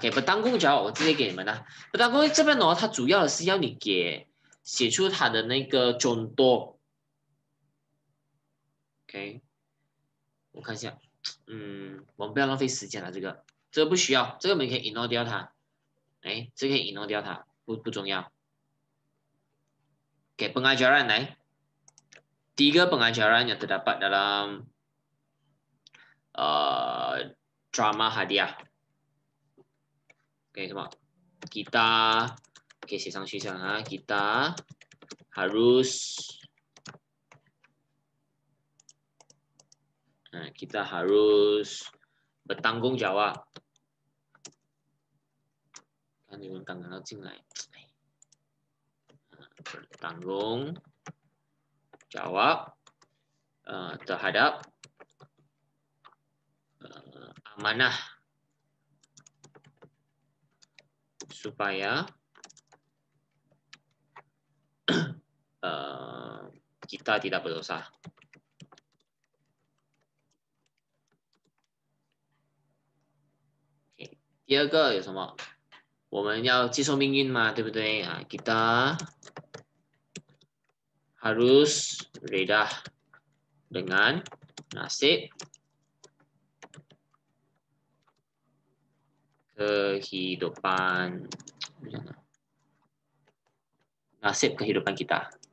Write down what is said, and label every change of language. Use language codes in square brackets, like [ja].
[ms] bertanggung jawab， [zh] 我直接给你们啦。 [ms] bertanggung [zh] 这边呢，它主要的是要你给写出它的那个 [ms] contoh。 [zh] OK，我看一下，我们不要浪费时间了，这个不需要，这个我们可以 ignore 掉它，哎，这个可以 ignore 掉它，不重要。给 [ms] pengajaran [zh] 来，第一个 [ms] pengajaran yang terdapat dalam drama hadiah， [zh] 给什么？ [ms] kita [zh] 可以写上去一下啊， [ms] kita harus kita harus bertanggung jawab. Kan diundang tanggung jawab sih, nah, bertanggung jawab terhadap amanah supaya kita tidak berdosa. [zh] Okay. 第二个有什么? 我们要接受命运嘛, 对不对? [ms] Kita harus reda dengan nasib kehidupan, nasib kehidupan kita.